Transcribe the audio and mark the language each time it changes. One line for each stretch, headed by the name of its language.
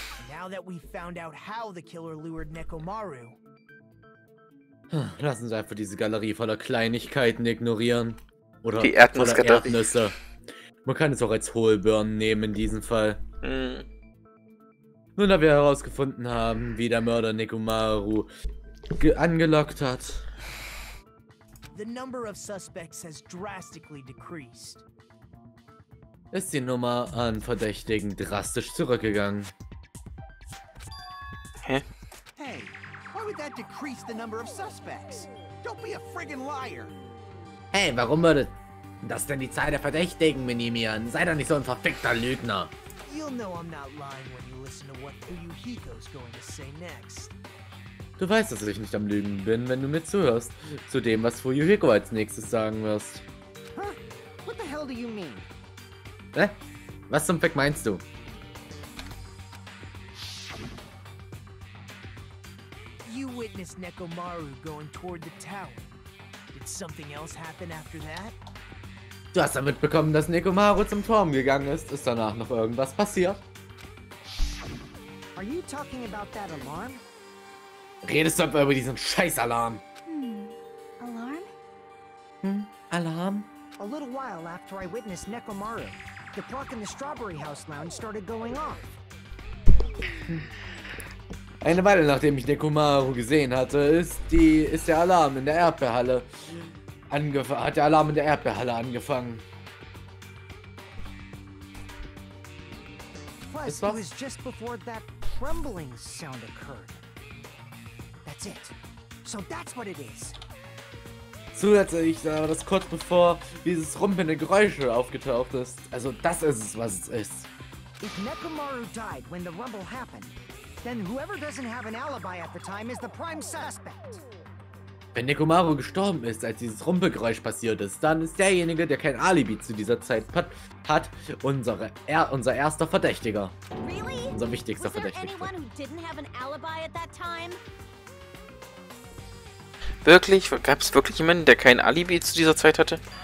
English: Now that we found out how the killer lured Nekomaru.
German: Lass uns einfach diese Galerie voller Kleinigkeiten ignorieren. Oder die Erdnüsse. Man kann es auch als Hohlbirnen nehmen in diesem Fall. Nun, da wir herausgefunden haben, wie der Mörder Nekomaru angelockt hat.
English: The number of suspects has drastically decreased.
German: Ist die Nummer an Verdächtigen drastisch zurückgegangen? Hä?
English: Hey, why would that decrease the number of suspects? Don't be a friggin' liar.
German: Hey, warum würde das denn die Zahl der Verdächtigen minimieren? Sei doch nicht so ein verfickter Lügner.
English: You'll know I'm not lying when you listen to what Uyuhiko's going to say next.
German: Du weißt, dass ich nicht am Lügen bin, wenn du mir zuhörst, zu dem, was Fuyuhiko als nächstes sagen wirst.
English: Huh? What the hell do you mean?
German: Hä? Was zum Fick meinst du?
English: You witnessed Nekomaru going toward the tower. Did something else happen after that?
German: Du hast damit bekommen, dass Nekomaru zum Turm gegangen ist. Ist danach noch irgendwas passiert?
English: Are you talking about that alarm?
German: Redest du etwa über diesen Scheißalarm?
English: Alarm?
German: Alarm?
English: A little while after I witnessed Nekomaru, the clock in the Strawberry House Lounge started going off.
German: Eine Weile nachdem ich Nekomaru gesehen hatte, ist der Alarm in der Erdbeerhalle hat der Alarm in der Erdbeerhalle angefangen.
English: Plus, it was just before that trembling sound occurred. That's it. So that's what it is.
German: Zusätzlich war das kurz bevor dieses rumpelnde Geräusch aufgetaucht ist. Also das ist es, was es ist.
English: If Nekomaru died when the rumble happened, then whoever doesn't have an alibi at the time is the prime suspect.
German: Wenn Nekomaru gestorben ist, als dieses Rumpelgeräusch passiert ist, dann ist derjenige, der kein Alibi zu dieser Zeit hat, unser erster Verdächtiger.
English: Really?
German: Unser wichtigster Verdächtiger.
English: Was there anyone who didn't have an alibi at that time?
German: Wirklich? Gab es wirklich jemanden, der kein Alibi zu dieser Zeit hatte?